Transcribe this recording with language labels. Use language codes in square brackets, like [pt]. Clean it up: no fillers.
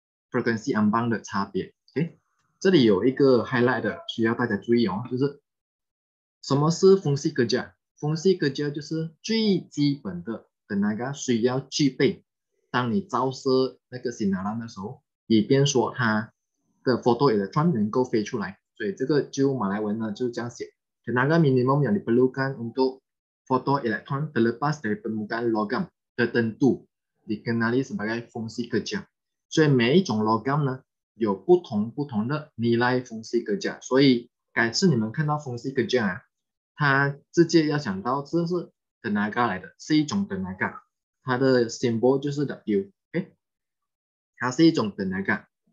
[en] frequency unbound [zh] 的差别，OK，这里有一个 highlight 的需要大家注意哦，就是什么是 Fungsi Kerja？Fungsi Kerja 就是最基本的 Tenaga 需要具备，当你照射那个 Sinaran 的时候，以便说它的 photoelectron 能够飞出来。所以这个就马来文呢就这样写： [ms] Tenaga minimum yang diperlukan untuk photoelectron terlepas dari permukaan logam tertentu dikenali sebagai Fungsi Kerja。 [zh] 所以每一种 logam 呢，有不同的 nilai fungsi kerja。所以改次你们看到 fungsi kerja 啊，它直接要想到这是 tenaga 来的，是一种 tenaga，它的 symbol 就是 W，它是一种 tenaga。